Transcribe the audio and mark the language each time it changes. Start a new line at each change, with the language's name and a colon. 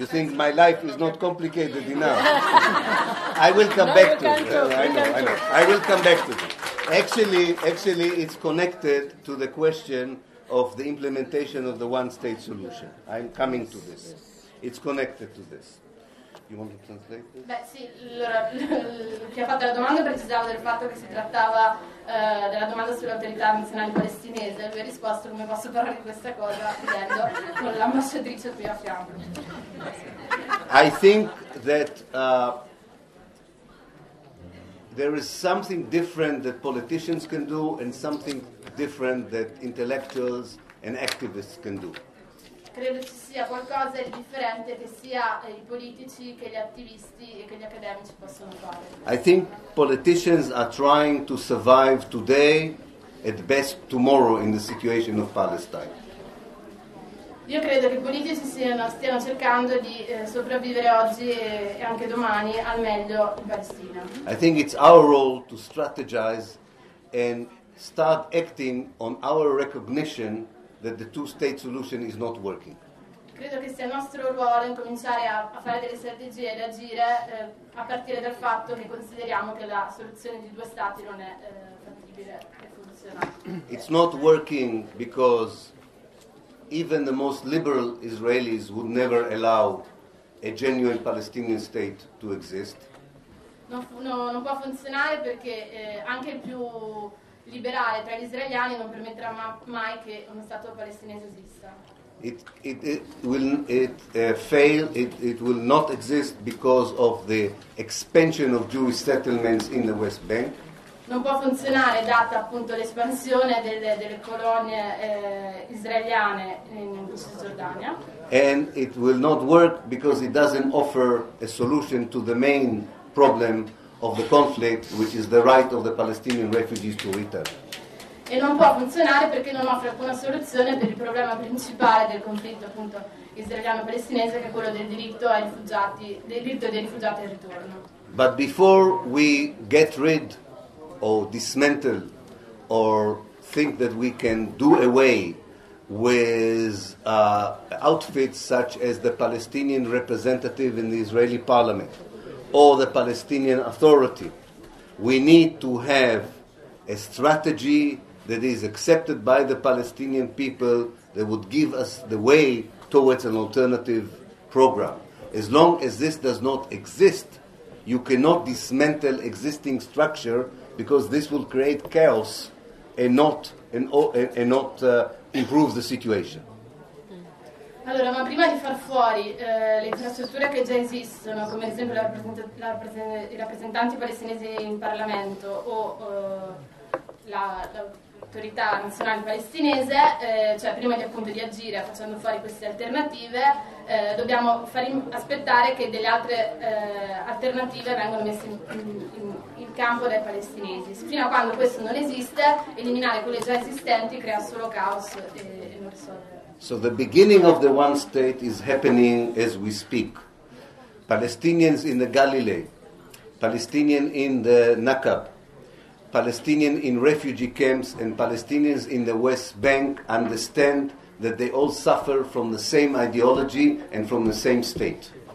English: You think my life is not complicated enough? I will come back to it. I will come back to it. Actually, it's connected to the question of the implementation of the one-state solution. I'm coming to this. It's connected to this. You want to translate this?
Italian: Beh, sì, allora, chi ha fatto la domanda precisava del fatto che si trattava della domanda sull'autorità nazionale palestinese. Lui ha risposto: come posso parlare di questa cosa chiedendo con l'ambasciatrice qui a fianco.
English: I think that there is something different that politicians can do and something different that intellectuals and activists can do.
Italian: Credo ci sia qualcosa di differente che sia i politici che gli attivisti e che gli accademici possono fare.
English: I think politicians are trying to survive today, at best tomorrow, in the situation of Palestine.
Italian: Io credo che i politici stiano cercando di sopravvivere oggi e anche domani al meglio in Palestina.
English: I think it's our role to strategize and start acting on our recognition that the two-state solution is not working.
Italian: Credo che sia nostro ruolo incominciare a fare delle strategie e agire a partire dal fatto che consideriamo che la soluzione di due stati non è fattibile e funzionale.
English: It's not working because even the most liberal Israelis would never allow a genuine Palestinian state to exist.
Italian: Non può funzionare perché anche il più liberale tra gli israeliani non permetterà mai che uno stato palestinese esista.
English: It will not exist because of the expansion of Jewish settlements in the West Bank.
Italian: Non può funzionare data appunto l'espansione delle colonie israeliane in Cisgiordania.
English: And it will not work because it doesn't offer a solution to the main problem of the conflict, which is the right of the Palestinian refugees to return.
Italian: E non può funzionare perché non offre alcuna soluzione per il problema principale del conflitto appunto israeliano-palestinese, che è quello del diritto ai rifugiati, del diritto dei rifugiati al ritorno.
English: But before we get rid or dismantle or think that we can do away with outfits such as the Palestinian representative in the Israeli parliament or the Palestinian authority, we need to have a strategy that is accepted by the Palestinian people that would give us the way towards an alternative program. As long as this does not exist, you cannot dismantle existing structure, because this will create chaos and not improve the situation.
Italian: Allora, ma prima di far fuori le infrastrutture che già esistono, come ad esempio i rappresentanti palestinesi in Parlamento o l'autorità nazionale palestinese, cioè prima di appunto di agire facendo fuori queste alternative, dobbiamo aspettare che delle altre alternative vengano messe in campo dai palestinesi. Fino a quando questo non esiste, eliminare quelle già esistenti crea solo caos e non risolve.
English: So the beginning of the one state is happening as we speak. Palestinians in the Galilee, Palestinian in the Nakab, Palestinian in refugee camps, and Palestinians in the West Bank understand that they all suffer from the same ideology and from the same state.